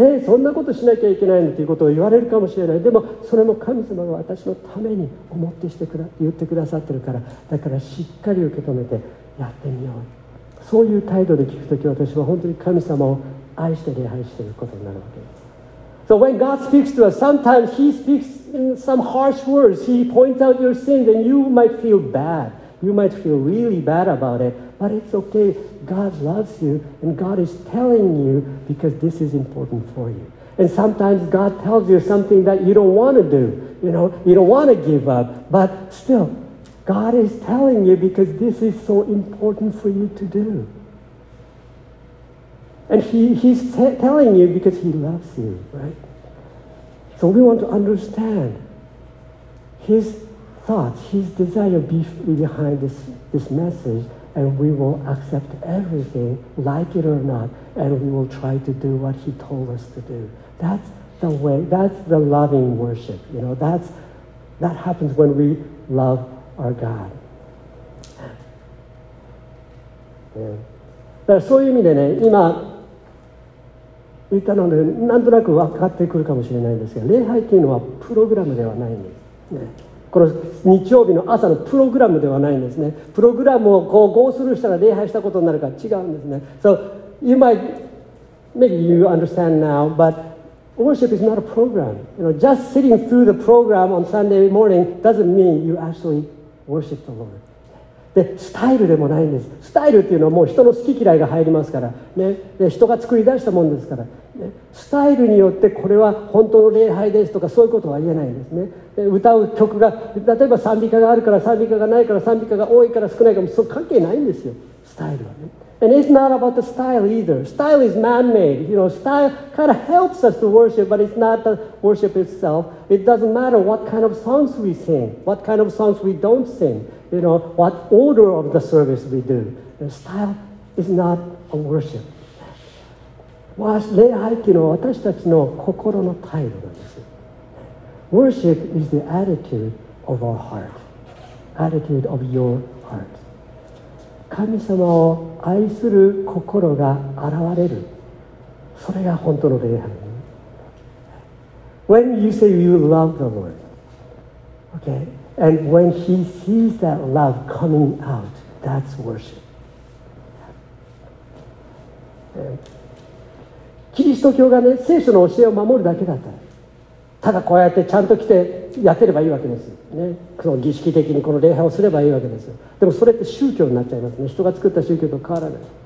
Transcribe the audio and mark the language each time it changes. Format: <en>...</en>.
<ja>そんなことしなきゃいけないのということを言われるかもしれない、でもそれも神様が私のために思ってしてくだ言ってくださってるから、だからしっかり受け止めてやってみよう、そういう態度で聞くとき、私は本当に神様を愛して礼拝していることになるわけです。</ja> <en>So when God speaks to us, sometimes He speaks in some harsh words. He points out your sins and you might feel bad. You might feel really bad about it. But it's okay. God loves you and God is telling you because this is important for you. And sometimes God tells you something that you don't want to do. You know, you don't want to give up. But still, God is telling you because this is so important for you to do. And he's telling you because he loves you, right? So we want to understand his thoughts, his desire behind this message, and we will accept everything, like it or not, and we will try to do what he told us to do. That's the way, that's the loving worship, you know, that happens when we love our God.</en> <ja>Yeah. だからそういう意味でね、今、言ったので、なんとなく分かってくるかもしれないんですが、礼拝というのはプログラムではないんです、ね。この日曜日の朝のプログラムではないんですね。プログラムをこうゴースルーしたら礼拝したことになるか違うんですね。</ja> <en>So, you might, maybe you understand now, but worship is not a program. You know, just sitting through the program on Sunday morning doesn't mean you actually worship the Lord.</en> <ja>でスタイルでもないんです。スタイルっていうのはもう人の好き嫌いが入りますから、ね、で人が作り出したもんですから、ね、スタイルによってこれは本当の礼拝ですとかそういうことは言えないんですね。で歌う曲が例えば賛美歌があるから賛美歌がないから賛美歌が多いから少ないかもそう関係ないんですよ、スタイルはね。</ja> <en>And it's not about the style either. Style is man-made. You know, style kind of helps us to worship, but it's not the worship itself. It doesn't matter what kind of songs we sing, what kind of songs we don't singYou know, what order of the service we do. The style is not a worship.</en> <ja>礼拝というのは私たちの心の態度なんです。</ja> <en>Worship is the attitude of our heart. Attitude of your heart.</en> <ja>神様を愛する心が現れる。それが本当の礼拝。</ja> <en>When you say you love the Lord, okay? And when he sees that love coming out, that's worship.</en> <ja>キリスト教がね、聖書の教えを守るだけだったら、ただこうやってちゃんと来てやってればいいわけです、ね、その儀式的にこの礼拝をすればいいわけですよ。でもそれって宗教になっちゃいますね。人が作った宗教と変わらない。</ja>